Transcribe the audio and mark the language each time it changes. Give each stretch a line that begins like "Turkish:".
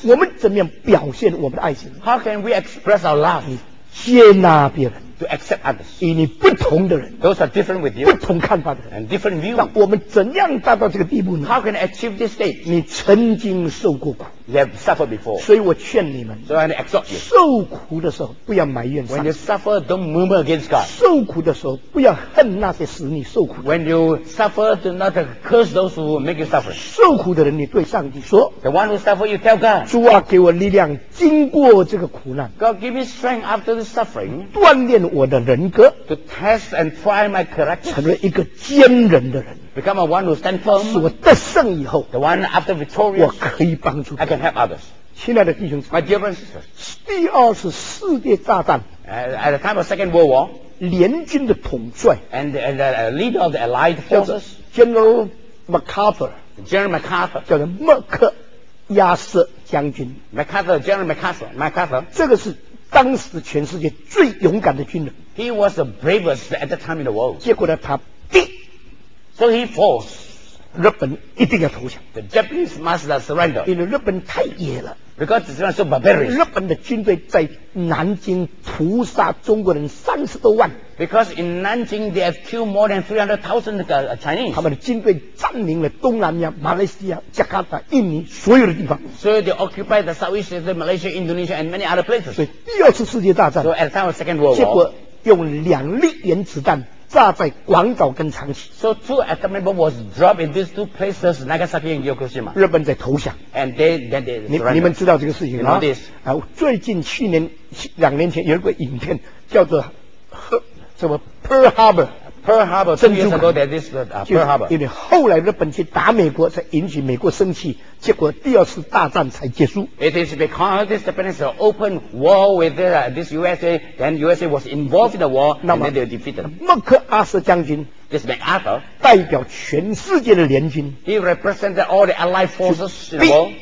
Chinese: 我们怎样表现我们的爱心
English: How can we express our love
Chinese: 你接纳别人
English: To accept others
Chinese: 与你不同的人
English: Those are different with you
Chinese: 不同看法的人
English: And different view
Chinese: 那我们怎样达到这个地步呢
English: How can I achieve this state
Chinese: 你曾经受过苦
English: You have suffered before
Chinese: 所以我劝你们
English: So I exhort you
Chinese: 受苦的时候不要埋怨
English: When you suffer don't murmur against God
Chinese: 受苦的时候不要恨那些使你受苦
English: When you suffer do not curse those who make you suffer
Chinese: 受苦的人你对上帝说
English: The one who suffer you tell God
Chinese: 主啊给我力量经过这个苦难
English: God give me strength after the suffering
Chinese: 锻炼我的人格
English: To test and try my character
Chinese: 成为一个坚人的人
English: Become a one who stand firm
Chinese: 使我得胜以后
English: The one after victorious
Chinese: 我可以帮助
English: I can help others
Chinese: 亲爱的弟兄姊妹
English: My dear brothers and sisters
Chinese: 第二次世界大战
English: at the time of Second World War
Chinese: 联军的统帅
English: and the leader of the Allied forces General MacArthur General MacArthur
Chinese: 叫做麦克亚瑟将军
English: MacArthur General MacArthur MacArthur
Chinese: 这个是当时全世界最勇敢的军人
English: He was the bravest at the time in the world
Chinese: 结果呢他第
English: So he falls
Chinese: 日本一定要投降
English: The Japanese must surrender
Chinese: 因为日本太野了
English: Because it's not so barbarous.
Chinese: 日本的军队在南京屠杀中国人三十多万。
English: Because in Nanjing they have killed more than 300,000 Chinese.
Chinese: 他们的军队占领了东南亚、马来西亚、加拉大、印尼所有的地方。
English: So they occupied the Southeast Asia, Malaysia, Indonesia, and many other places.
Chinese: 所以第二次世界大战。
English: So at the time of Second World War.
Chinese: 结果用两粒原子弹炸在广岛跟长崎。
English: So two atomic bombs was dropped in these two places, Nagasaki and Hiroshima.
Chinese: 日本在投降。
English: And then they surrender.
Chinese: 你们知道这个事情吗？
English: You know this.
Chinese: 啊，最近去年两年前有一个影片叫做什么 Pearl Harbor。
English: Pearl Harbor. 珍珠港。That is Pearl Harbor.
Chinese: 因为后来日本去打美国，才引起美国生气，结果第二次大战才结束。
English: It is because this Japanese opened war with this USA, then USA was involved in the war, and then they were defeated.
Chinese: 麦克阿瑟将军
English: ，This MacArthur
Chinese: 代表全世界的联军
English: ，He represented all the Allied forces in the war.